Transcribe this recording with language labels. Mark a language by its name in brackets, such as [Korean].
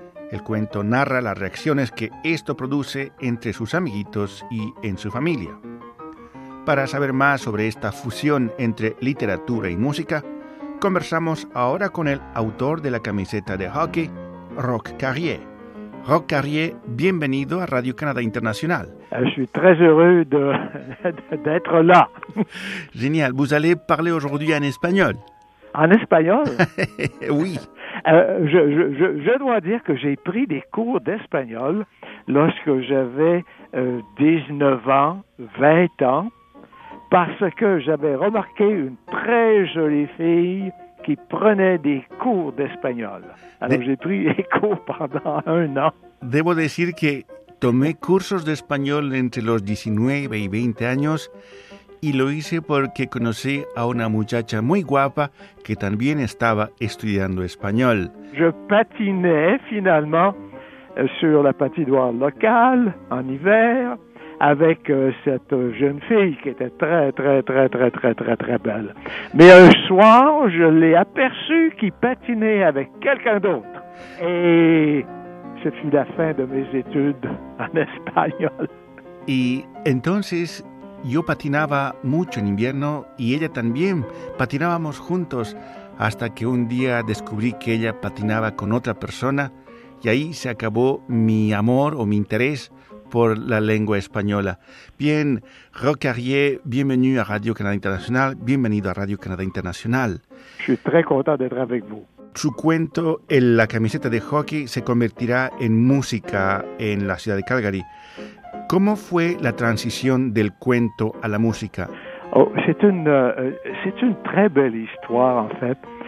[Spanish] El cuento narra las reacciones que esto produce entre sus amiguitos y en su familia. Para saber más sobre esta fusión entre literatura y música, conversamos ahora con el autor de la camiseta de hockey, Rock Carrier. Rock Carrier, bienvenido a Radio Canadá Internacional. [French] Je suis très heureux d'être là. Génial, vous allez parler aujourd'hui en espagnol. En espagnol? Oui. Je dois dire que j'ai pris des cours d'espagnol lorsque j'avais 19 ans, 20 ans, parce que j'avais remarqué une très jolie fille qui prenait des cours d'espagnol. Alors j'ai pris des cours pendant un an. [Spanish] Debo decir que tomé cursos de español entre los 19 y 20 años y lo hice porque conocí a una muchacha muy guapa que también estaba estudiando español. [French] Je patinais finalement sur la patinoire locale en hiver avec cette jeune fille qui était très, très, très, très, très, très, très belle. Mais un soir, je l'ai aperçue qui patinait avec quelqu'un d'autre. Et ce fut la fin de mes études en espagnol. [Spanish] Et entonces, yo patinaba mucho en invierno y ella también. Patinábamos juntos hasta que un día descubrí que ella patinaba con otra persona y ahí se acabó mi amor o mi interés por la lengua española. Bien, Rock Carrier, bienvenido a Radio Canadá Internacional. Bienvenido a Radio Canadá Internacional. [French] Je suis très content d'être avec vous. [Spanish] Su cuento, en La camiseta de hockey, se convertirá en música en la ciudad de Calgary. ¿Cómo fue la transición del cuento a la música? [French] Oh, c'est une très belle histoire, en fait.